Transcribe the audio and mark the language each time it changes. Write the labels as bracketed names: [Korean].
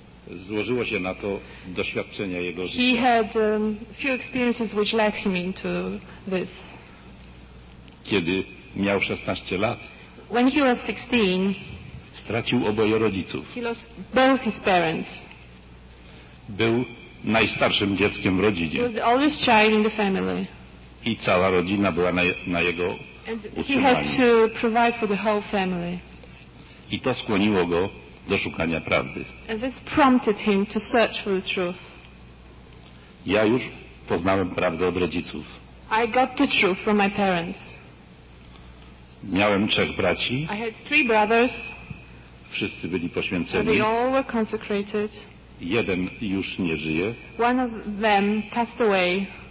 [Polish] Złożyło się na to doświadczenia jego życia. [English] He had few experiences which led him into this. [Polish] Kiedy miał 16 lat, [English] when he was 16, [Polish] stracił oboje rodziców. [English] He lost both his parents. [Polish] Był najstarszym dzieckiem w rodzinie. [English] He was the oldest child in the family. [Polish] I cała rodzina była na jego utrzymaniu. [English] He had to provide for the whole family. [Polish] I to skłoniło go do szukania prawdy. [English] And this prompted him to search for the truth. [Polish] Ja już poznałem prawdę od rodziców. [English] I got the truth from my parents. [Polish] Miałem trzech braci. [English] I had three brothers. [Polish] Wszyscy byli poświęceni. [English] They all were consecrated. [Polish] Jeden już nie żyje. [English] One of them passed away.